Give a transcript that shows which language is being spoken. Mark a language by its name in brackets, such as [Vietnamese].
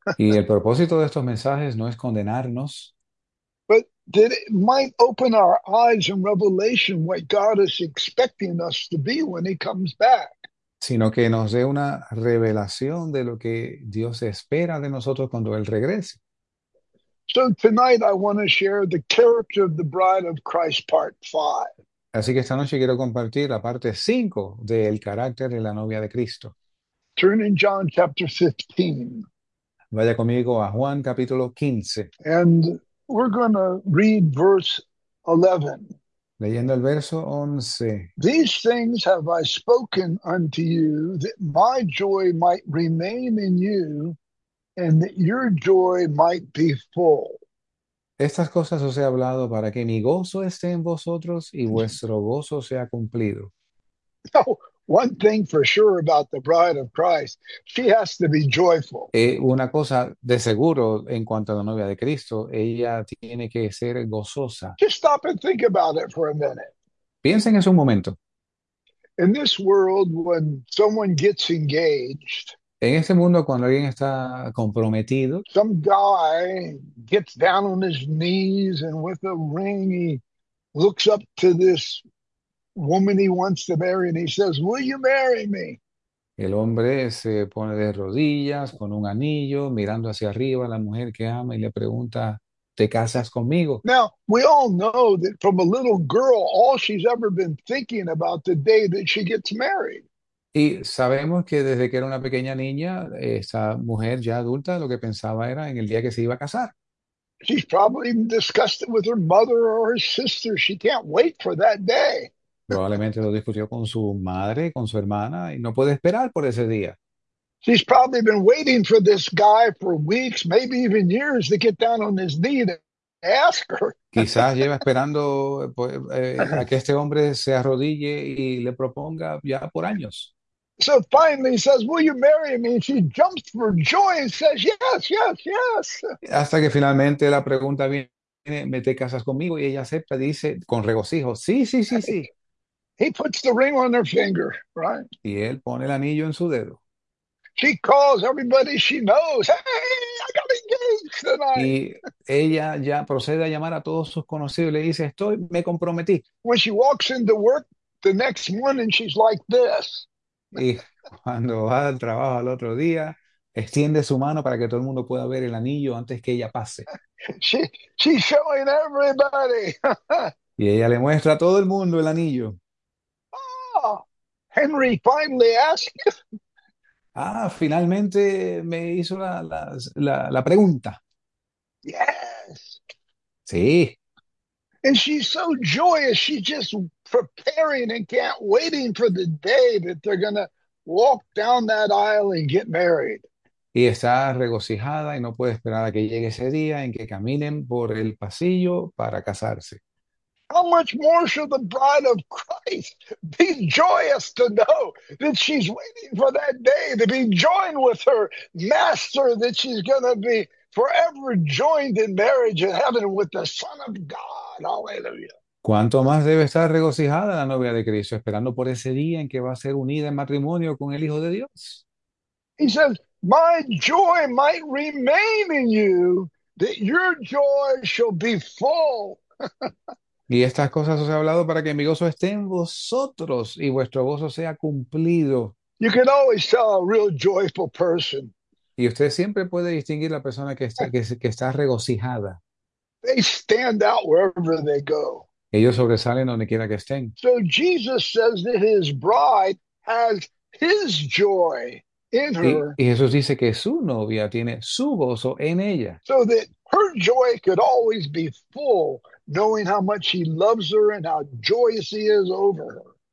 [Spanish] Y el propósito de estos mensajes no es condenarnos. [English] but that it might open our eyes in revelation what God is expecting us to be when he comes back. [Spanish] Sino que nos dé una revelación de lo que Dios espera de nosotros cuando Él regrese. [English] So tonight I want to share the character of the Bride of Christ, part five. [Spanish] Así que esta noche quiero compartir la parte 5 del carácter de la novia de Cristo. [English] Turn in John chapter 15. [Spanish] Vaya conmigo a Juan capítulo 15. [English] And we're going to read verse 11. [Spanish] Leyendo el verso 11. [English] These things have I spoken unto you, that my joy might remain in you, and that your joy might be full. [Spanish] Estas cosas os he hablado para que mi gozo esté en vosotros y vuestro gozo sea cumplido. [English] No. One thing for sure about the bride of Christ, she has to be joyful. [Spanish] Una cosa de seguro en cuanto a la novia de Cristo, ella tiene que ser gozosa. [English] Just stop and think about it for a minute. [Spanish] Piensen en su momento. [English] In this world, when someone gets engaged, [Spanish] En este mundo, cuando alguien está comprometido, [English] some guy gets down on his knees and with a ring, he looks up to this woman he wants to marry, and he says, "Will you marry me?" [Spanish] el hombre se pone de rodillas con un anillo, mirando hacia arriba a la mujer que ama y le pregunta, ¿te casas conmigo? [English] Now, we all know that from a little girl, all she's ever been thinking about the day that she gets married. [Spanish] Y sabemos que desde que era una pequeña niña, esa mujer ya adulta lo que pensaba era en el día que se iba a casar. [English] She's probably discussed it with her mother or her sister. She can't wait for that day. [Spanish] Probablemente lo discutió con su madre, con su hermana, y no puede esperar por ese día. [English] She's probably been waiting for this guy for weeks, maybe even years, to get down on his knee to ask [Spanish] Quizás lleva esperando pues, a que [English] her. [Spanish] este hombre se arrodille y le proponga ya por años. [English] So finally he says, "Will you marry me?" And she jumps for joy and says, Yes. [Spanish] Hasta que finalmente la pregunta viene, ¿me te casas conmigo? Y ella acepta, dice con regocijo, sí. [English] He puts the ring on her finger, right? [Spanish] Y él pone el anillo en su dedo. [English] She calls everybody she knows. "Hey, I got engaged [Spanish] Y [English] tonight." [Spanish] ella ya procede a llamar a todos sus conocidos y le dice, estoy, me comprometí. [English] When she walks into work the next morning, she's like this. [Spanish] Y cuando va al trabajo al otro día, extiende su mano para que todo el mundo pueda ver el anillo antes que ella pase. [English] She's showing everybody. [Spanish] Y ella le muestra a todo el mundo el anillo. [English] Henry finally asked. [Spanish] Ah, finalmente me hizo la pregunta. [English] Yes. [Spanish] Sí. [English] And she's so joyous, she's just preparing and can't waiting for the day that they're gonna walk down that aisle and get married. [Spanish] y está regocijada y no puede esperar a que llegue ese día en que caminen por el pasillo para casarse. [English] How much more should the bride of Christ be joyous to know that she's waiting for that day to be joined with her master, that she's going to be forever joined in marriage in heaven with the Son of God? Hallelujah. [Spanish] ¿Cuánto más debe estar regocijada la novia de Cristo, esperando por ese día en que va a ser unida en matrimonio con el Hijo de Dios? [English] He says, my joy might remain in you, that your joy shall be full. [Spanish] Y estas cosas os he hablado para que mi gozo esté en vosotros y vuestro gozo sea cumplido. [English] You can always tell a real joyful person. [Spanish] Y usted siempre puede distinguir la persona que está regocijada. [English] They stand out wherever they go. [Spanish] Ellos sobresalen donde quiera que estén. [English] So Jesus says that his bride has his joy in [Spanish] Y [English] her, [Spanish] Jesús dice que su novia tiene su gozo en ella. [English] so that her joy could always be full, knowing how much he loves her and how joyous he is over her.